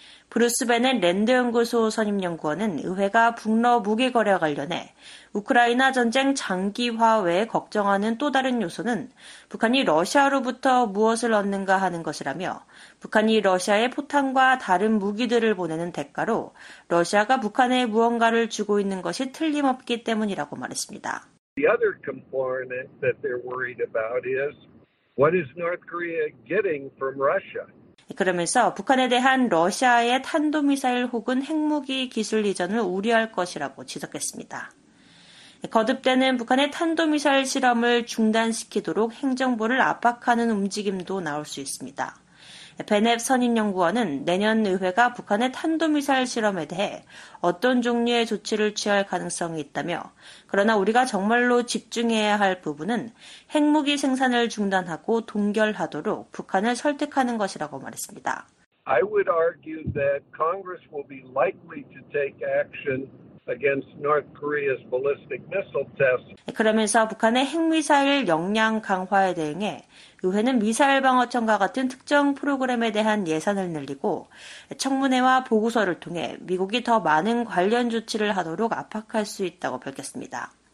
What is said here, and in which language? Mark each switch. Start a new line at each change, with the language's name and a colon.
Korean: 브루스 베넷 랜드연구소 선임연구원은 의회가 북러 무기거래와 관련해 우크라이나 전쟁 장기화 외에 걱정하는 또 다른 요소는 북한이 러시아로부터 무엇을 얻는가 하는 것이라며 북한이 러시아의 포탄과 다른 무기들을 보내는 대가로 러시아가 북한에 무언가를 주고 있는 것이 틀림없기 때문이라고 말했습니다.
English: The other component that they're worried about is what is North Korea getting from Russia?
Korean: 그러면서 북한에 대한 러시아의 탄도미사일 혹은 핵무기 기술 이전을 우려할 것이라고 지적했습니다. 거듭되는 북한의 탄도미사일 실험을 중단시키도록 행정부를 압박하는 움직임도 나올 수 있습니다. 베넷 선임연구원은 내년 의회가 북한의 탄도미사일 실험에 대해 어떤 종류의 조치를 취할 가능성이 있다며 그러나 우리가 정말로 집중해야 할 부분은 핵무기 생산을 중단하고 동결하도록 북한을 설득하는 것이라고 말했습니다.
English: I would argue that Congress will be likely to take action against North Korea's ballistic missile test.
Korean: 그러면서 북한의 핵미사일 역량 강화에 대응해 의회는 미사일 방어청과 같은 특정 프로그램에 대한 예산을 늘리고 청문회와 보고서를 통해 미국이 더 많은 관련 조치를 하도록 압박할 수 있다고 밝혔습니다.